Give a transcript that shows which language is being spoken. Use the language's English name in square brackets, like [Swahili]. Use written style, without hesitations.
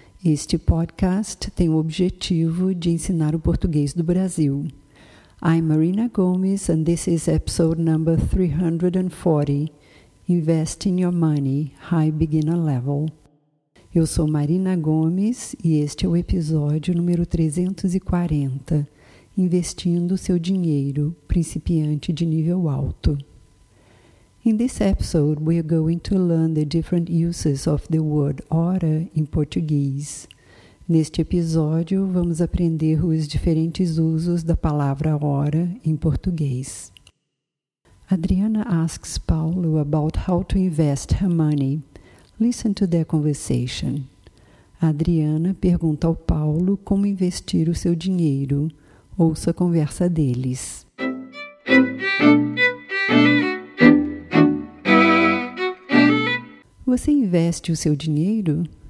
[Portuguese] Este podcast tem o objetivo de ensinar o português do Brasil. [English] I'm Marina Gomes and this is episode number 340, Investing Your Money, High Beginner Level. [Portuguese] Eu sou Marina Gomes e este é o episódio número 340, Investindo Seu Dinheiro, Principiante de Nível Alto. [English] In this episode, we are going to learn the different uses of the word hora in Portuguese. [Portuguese] Neste episódio, vamos aprender os diferentes usos da palavra hora em português. [English] Adriana asks Paulo about how to invest her money. Listen to their conversation. [Portuguese] Adriana pergunta ao Paulo como investir o seu dinheiro. Ouça a conversa deles. Você investe o seu dinheiro?